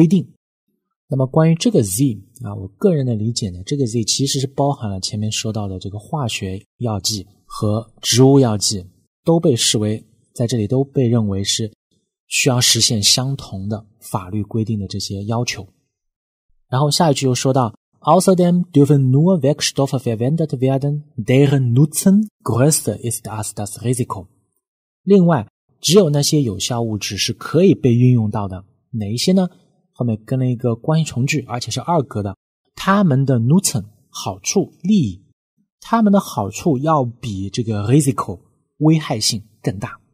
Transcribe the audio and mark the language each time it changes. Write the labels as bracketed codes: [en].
[zh] 相信这样的句型大家都会很喜欢啊。那么在这里就是说到这个质量、效果和无害性。好，那么说到这些呢，他们就必须实现相同的法律上面的规定。那么关于这个 Z 啊，我个人的理解呢，这个 Z 其实是包含了前面说到的这个化学药剂和植物药剂，都被视为在这里都被认为是需要实现相同的法律规定的这些要求。然后下一句又说到 [de] Außerdem dürfen nur Wirkstoffe verwendet werden, deren Nutzen größer ist als das Risiko. [zh] 另外，只有那些有效物质是可以被运用到的。哪一些呢？后面跟了一个关系从句，而且是二格的。它们的 Nutzen 好处、利益，它们的好处要比这个 Risiko 危害性更大。